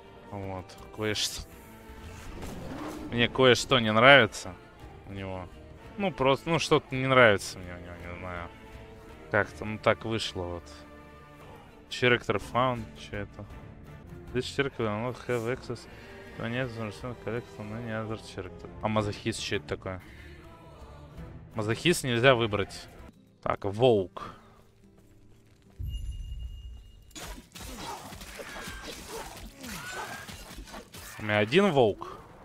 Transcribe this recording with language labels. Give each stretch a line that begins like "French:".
Russian: Вот, кое-что. Мне кое-что не нравится у него. Ну, просто, ну, что-то не нравится мне у него, не знаю. Как-то, ну, так вышло, вот.
English: Character found,
Russian: че это?
English: This character will not have access to any other character,
Russian: но не
English: other character.
Russian: А мазохист, че это такое? Мазохист нельзя выбрать. Так, волк. У меня один волк.